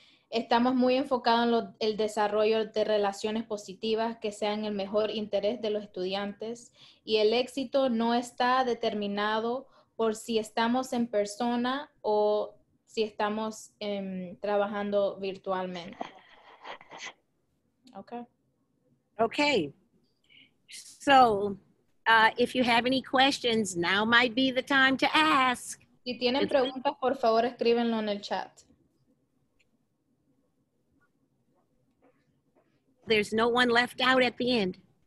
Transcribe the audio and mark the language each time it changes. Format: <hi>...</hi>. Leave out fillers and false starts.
<es>Estamos muy enfocados en el desarrollo de relaciones positivas que sean el mejor interés de los estudiantes, y el éxito no está determinado por si estamos en persona o si estamos trabajando virtualmente.</es> <en>Okay. Okay. So, if you have any questions, now might be the time to ask.</en> <es>Si tienen preguntas, por favor, escríbenlo en el chat.</es> <en>There's no one left out at the end.</en>